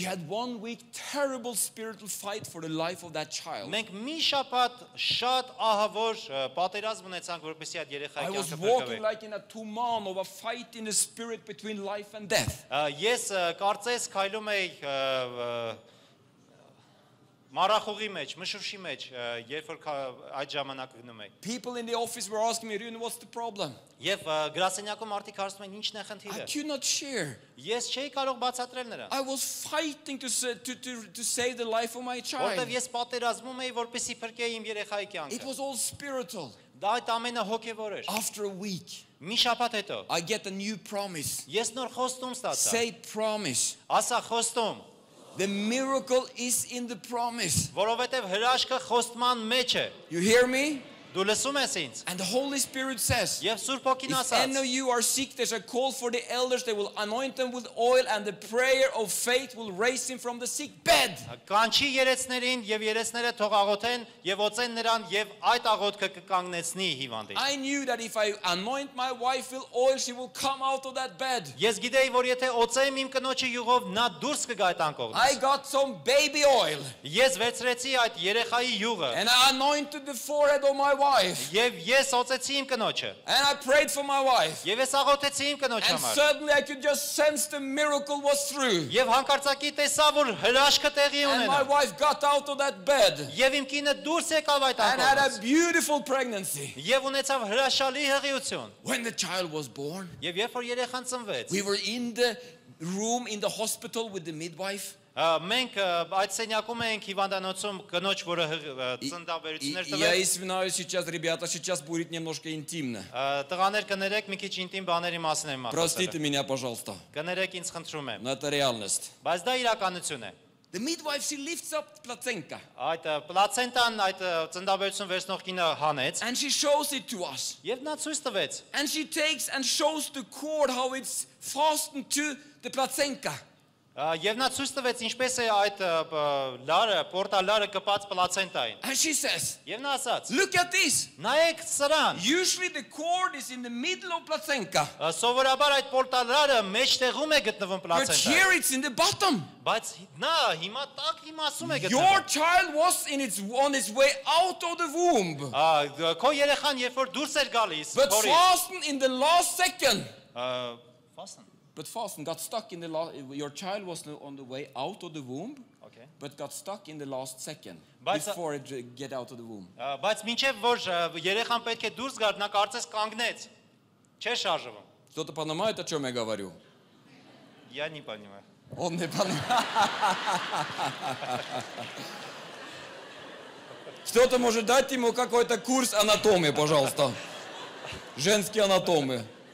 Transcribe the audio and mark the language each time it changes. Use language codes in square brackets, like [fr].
[en] We had 1 week terrible spiritual fight for the life of that child. [hy] Մենք մի շաբաթ շատ ահավոր պատերազմ ունեցանք, որպեսի այդ երեխայի կյանքը փրկվի։ [en] I was walking like in a tomb of a fight in the spirit between life and death. [hy] Ես կարծես քայլում էի Մարախուղի մեջ, մշուշի մեջ, երբ որ այդ ժամանակ գնում էի։ [en] People in the office were asking me, "Ռյունե, what's the problem?" [hy] Եվ գրասենյակում արդի հարցնում են, ինչն է խնդիրը։ [en] I could not share. [hy] Ես չէի կարող բացատրել նրան։ [en] I was fighting to save the life of my child. [hy] Որտեղ ես պատերազմում էի, որպեսզի փրկեի իմ երեխայի կյանքը։ [en] It was all spiritual. [hy] Դա այդ ամենը հոգևոր էր։ [en] After a week. [hy] Մի շաբաթ հետո։ [en] I get a new promise. [hy] Ես նոր խոստում ստացա։ [en] Say promise. [hy] Ասա խոստում։ [en] The miracle is in the promise. [hy] Որովհետև հրաշքը խոստման մեջ է։ [en] You hear me? [hy] Դու լսում ես ինձ։ [en] And the Holy Spirit says. [hy] Եվ Սուրբ Հոգին ասաց. [en] And you are sick, there's a call for the elders, they will anoint them with oil and the prayer of faith will raise him from the sick bed. [hy] Կանչի երեսներին եւ երեսները թող աղոթեն եւ օծեն նրան եւ այդ աղոթքը կկանգնեցնի հիվանդին։ [en] I knew that if I anoint my wife with oil, she will come out of that bed. [hy] Ես գիտեի, որ եթե օծեմ իմ կնոջը յուղով, նա դուրս կգա այդ անկողնից։ [en] I got some baby oil. [hy] Ես վերցրեցի այդ երեխայի յուղը։ [en] And I anointed the forehead of my [hy] Եվ ես օծեցի իմ կնոջը։ [en] And I prayed for my wife. [hy] Եվ ես աղոթեցի իմ կնոջ համար։ [en] And suddenly I could just sense the miracle was through. [hy] Եվ հանկարծակի տեսա, որ հրաշքը տեղի ունենա։ [en] And my wife got out of that bed. [hy] Եվ իմ կինը դուրս եկավ այդ անկողմից։ [en] And had a beautiful pregnancy. [hy] Եվ ունեցավ հրաշալի հղիություն։ [en] When the child was born. [hy] Եվ երբ որ երեխան ծնվեց։ [en] We were in the room in the hospital with the midwife. [hy] Մենք այդ սենյակում էինք հիվանդանոցում կնոջ, որը ծննդավերություններ տվեց։ [ru] Я извиняюсь сейчас, ребята, сейчас будет немножко интимно. [hy] Տղաներ կներեք, մի քիչ ինտիմ բաների մասին եմ ասում։ [ru] Простите меня, пожалуйста. [hy] Կներեք, ինձ խնդրում եմ։ [ru] Но это реальность. [hy] Բայց դա իրականություն է։ [en] The midwife, she lifts up placenta. [hy] Այդ պլացենտան այդ ծնդաբերություն վերցնող կինը հանեց. [en] And she shows it to us. [hy] Եվ նա ցույց տվեց. [en] And she takes and shows the cord how it's fastened to the placenta. [hy] Եվ նա ցույց տվեց ինչպես է այդ լարը, պորտալարը կպած պլացենտային. [en] And she says. [hy] Եվ նա ասաց. [en] Look at this. [hy] Նայեք սրան. [en] Usually the cord is in the middle of placenta. [hy] Սովորաբար այդ պորտալարը մեջտեղում է գտնվում պլացենտա. [en] But here it's in the bottom. [hy] Բայց նա հիմա տակ հիմա ասում է գտնվում։ [en] Your child was in its on its way out of the womb. [hy] Քո երեխան երբ որ դուրս էր գալիս, [en] But fasten in the last second. Fasten. But fasten got stuck in the last, your child was on the way out of the womb, okay. But got stuck in the last second before it get out of the womb. [hy] Բայց մինչև որ երեխան պետք է դուրս գար, նա կարծես կանգնեց, չէ շարժվում. [ru] Что ты понимаешь, о чём я говорю? Я не понимаю. Он не понимает. Кто-то может дать ему какой-то курс анатомии, пожалуйста. Женские анатомы.